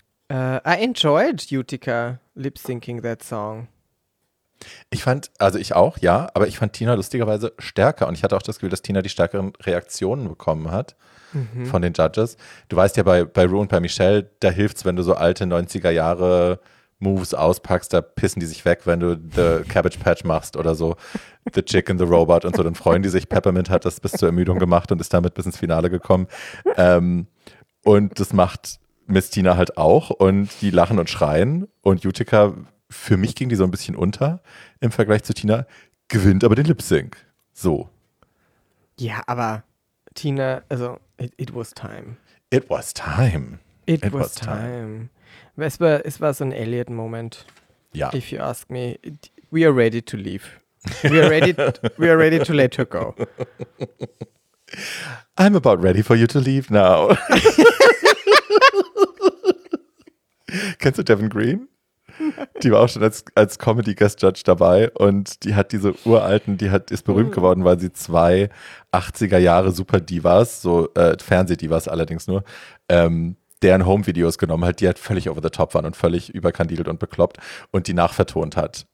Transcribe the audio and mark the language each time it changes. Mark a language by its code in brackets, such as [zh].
[en] I enjoyed Utica lip-syncing that song. [de] Ich fand, also ich auch, ja, aber ich fand Tina lustigerweise stärker und ich hatte auch das Gefühl, dass Tina die stärkeren Reaktionen bekommen hat von den Judges. Du weißt ja, bei Ru und bei Michelle, da hilft es, wenn du so alte 90er Jahre Moves auspackst, da pissen die sich weg, wenn du The Cabbage Patch machst oder so, The Chick and the Robot und so, dann freuen die sich. Peppermint hat das bis zur Ermüdung gemacht und ist damit bis ins Finale gekommen. Und das macht Miss Tina halt auch und die lachen und schreien und Utica, für mich ging die so ein bisschen unter im Vergleich zu Tina, gewinnt aber den Lip-Sync. So. Ja, aber Tina, also it was time. [en] It was time. It was time. [de] Es war so ein Elliot-Moment. Ja. [en] If you ask me, we are ready to leave. We are ready to let her go. I'm about ready for you to leave now. [de] Kennst du Devin Green? Die war auch schon als Comedy-Guest-Judge dabei und die hat diese uralten, ist berühmt geworden, weil sie zwei 80er-Jahre-Super-Divas, so Fernseh-Divas allerdings nur, deren Home-Videos genommen hat, die halt völlig over the top waren und völlig überkandidelt und bekloppt und die nachvertont hat.